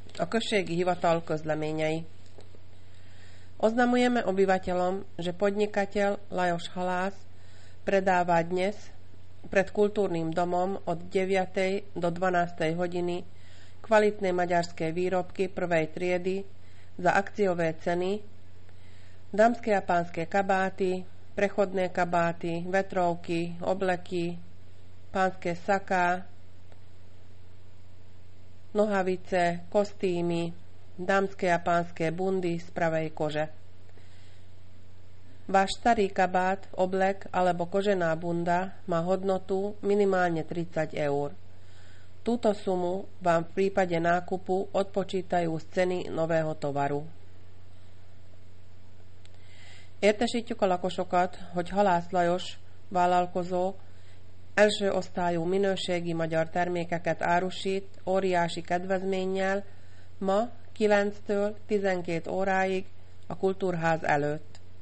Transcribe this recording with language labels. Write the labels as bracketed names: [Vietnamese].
[Hungarian] A községi hivatal közleményei. [Slovak] Oznamujeme obyvateľom, že podnikateľ Lajos Halász predáva dnes pred kultúrnym domom od 9. do 12. hodiny kvalitné maďarské výrobky prvej triedy za akciové ceny, dámske a pánske kabáty, prechodné kabáty, vetrovky, obleky, pánske saká, nohavice, kostýmy, dámske a pánske bundy z pravej kože. Váš starý kabát, oblek alebo kožená bunda má hodnotu minimálne 30 eur. Túto sumu vám v prípade nákupu odpočítajú z ceny nového tovaru. [Hungarian] Értesítjük a lakosokat, hogy Halász Lajos vállalkozó első osztályú minőségi magyar termékeket árusít óriási kedvezménnyel ma 9-től 12 óráig a kultúrház előtt.